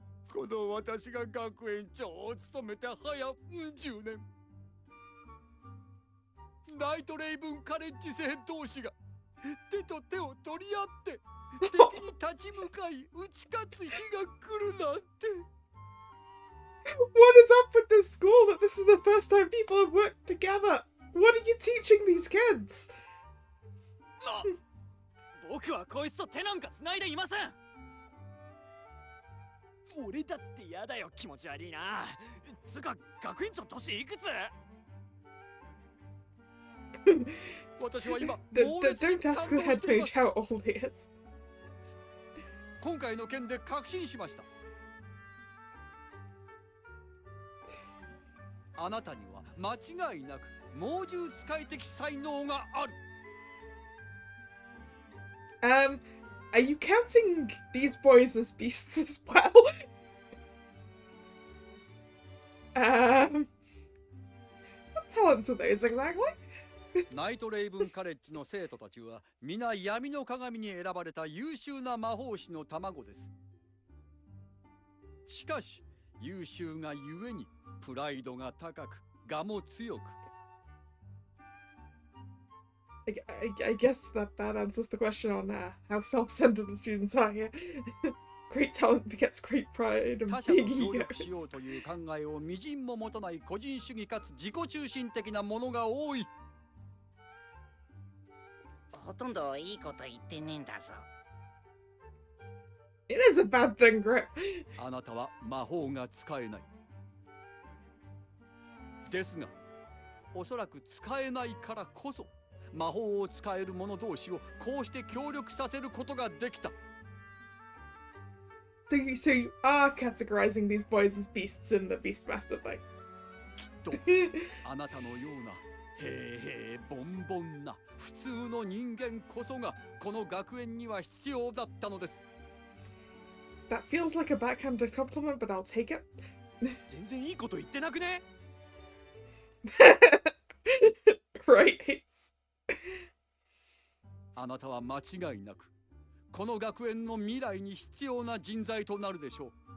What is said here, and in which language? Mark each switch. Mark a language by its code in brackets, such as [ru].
[ja] この私が学園長を務めて早10年ナイトレイブンカレッジ戦闘士が手と手を取り合って敵に立ち向かい打ち勝つ日が来るなんて。 [en] What is up with this school that this is the first time people have worked together? What are you teaching these kids? [ja] 僕はこいつと手なんか繋いでいません。俺だってやだよ、気持ち悪いな。つか、学院長年いくつ？私は今、猛烈に感動しています。 [en] Don't ask the head page how old he is. [ja] 今回の件で確信しました。あなたには間違いなく猛獣使い的才能がある。 [en] Are you counting these boys as beasts as well? What talents are those exactly? [ja] Night Raven College の生徒たちは皆闇の鏡に選ばれた優秀な魔法師の卵です。しかし優秀がゆえにプライドが高く、我も強く。 [en] I guess that answers the question on how self-centered the students are here. Great talent begets great pride and big egos. [ja] 他者と協力しようという考えを微塵も持たない個人主義かつ自己中心的なものが多い。ほとんどいいこと言ってねえんだぞ。 [en] It is a bad thing, Grip. [ja] あなたは魔法が使えない。ですが、おそらく使えないからこそ。魔法を使える者同士をこうして協力させることができた。 [en] So you are categorizing these boys as beasts in the Beastmaster thing. [ja] きっとあなたのようなへーへーボンボンな普通の人間こそがこの学園には必要だったのです。 [en] That feels like a backhanded compliment, but I'll take it. [ja] 全然いいこと言ってなくね。 [en] Right. [ja] あなたは間違いなくこの学園の未来に必要な人材となるでしょう。